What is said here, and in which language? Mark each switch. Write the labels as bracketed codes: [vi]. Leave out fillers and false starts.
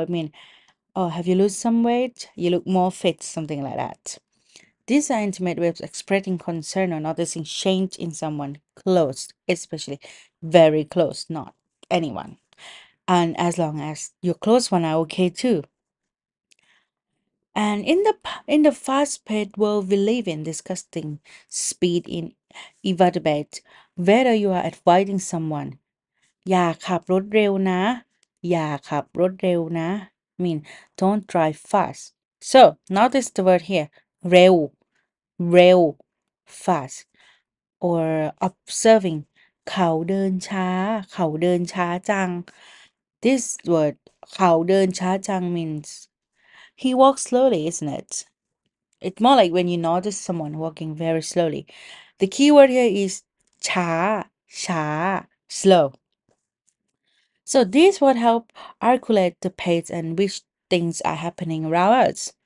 [en] I mean,Oh, have you lost some weight? You look more fit, something like that. These are intimate ways of expressing concern or noticing change in someone close, especially very close, not anyone. And as long as your close one are okay too. And in the fast-paced world we live in, discussing speed in evaluate whether you are advising someone, [th] อย่าขับรถเร็วนะ อย่าขับรถเร็วนะ [en] mean don't drive fast so notice the word here เ ร็ว fast or observing [th] เขาเดินช้าเขาเดินช้าจัง [en] this word [th] เขาเดินช้าจัง [en] means he walks slowly isn't it It's more like when you notice someone walking very slowly. The key word here is cha, sha, slow. So this would help articulate the pace and which things are happening around us.